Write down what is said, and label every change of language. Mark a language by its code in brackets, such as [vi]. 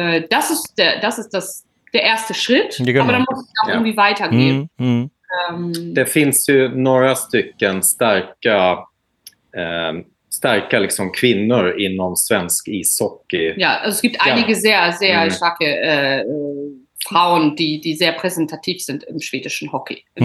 [de] Das ist der erste Schritt, ja, genau. Aber dann muss es auch irgendwie weitergehen. Da findest du [sv] några stycken starka starka liksom kvinnor inom svensk ishockey. [de] Ja, also es gibt einige sehr, sehr starke Frauen, die sehr präsentativ sind im schwedischen Hockey.